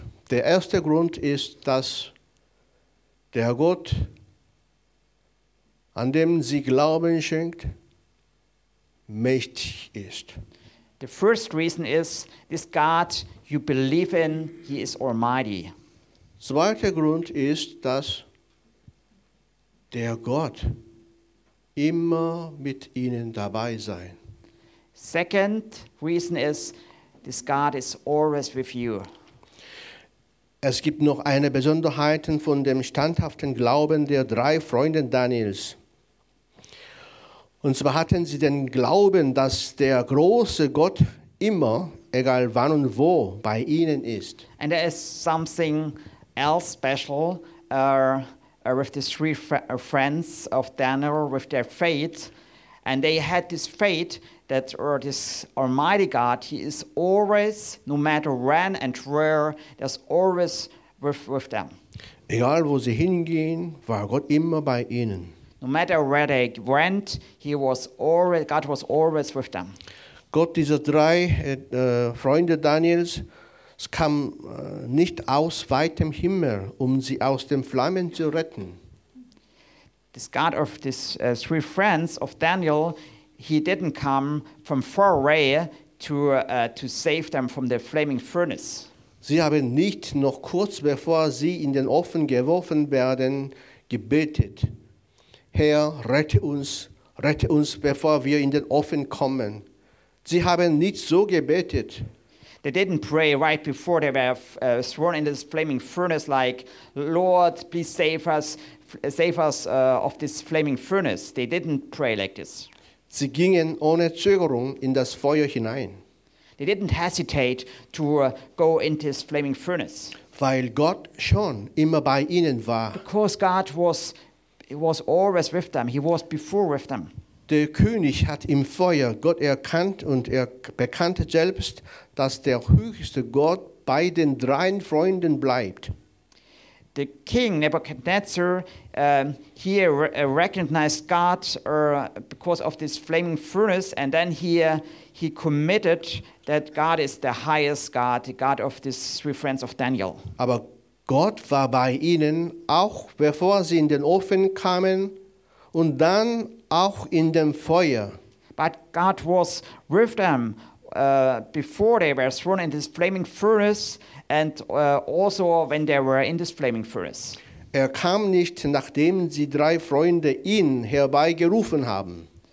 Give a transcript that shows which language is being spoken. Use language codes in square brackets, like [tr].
[de] Der erste Grund ist, dass der Gott, an dem sie Glauben schenkt, mächtig ist. [en] The first reason is, this God you believe in, he is almighty. [de] Zweiter Grund ist, dass der Gott immer mit ihnen dabei sein. [en] Second reason is, this God is always with you. [de] Es gibt noch eine Besonderheit von dem standhaften Glauben der drei Freunde Daniels. Und zwar hatten sie den Glauben, dass der große Gott immer, egal wann und wo, bei ihnen ist. [en] And there is something else special with these three friends of Daniel, with their faith. And they had this faith that this almighty God, he is always, no matter when and where, there's always with them. [de] Egal wo sie hingehen, war Gott immer bei ihnen. [en] No matter where they went, God was always with them. [de] Gott dieser drei Freunde Daniels, es kam nicht aus weitem Himmel, um sie aus den Flammen zu retten. [en] This God of these three friends of Daniel, he didn't come from far away to save them from the flaming furnace. [de] Sie haben nicht noch kurz bevor sie in den Ofen geworfen werden gebetet: Herr, rette uns, bevor wir in den Ofen kommen. Sie haben nicht so gebetet. [en] They didn't pray right before they were thrown in this flaming furnace, like, Lord, please save us of this flaming furnace. They didn't pray like this. [de] Sie gingen ohne Zögerung in das Feuer hinein. [en] They didn't hesitate to go into this flaming furnace. [de] Weil Gott schon immer bei ihnen war. [en] Because God was always with them. He was before with them. [de] Der König hat im Feuer Gott erkannt und er bekannte selbst, dass der höchste Gott bei den drei Freunden bleibt. [en] the king Nebuchadnezzar recognized God because of this flaming furnace, and then he committed that God is the highest God, the God of these three friends of Daniel. [de] Aber Gott war bei ihnen auch bevor sie in den Ofen kamen und dann auch in dem Feuer. [en] But God was with them before they were thrown in this flaming furnace and also when they were in this flaming furnace. [de] Er kam nicht, nachdem sie drei Freunde ihn herbeigerufen haben.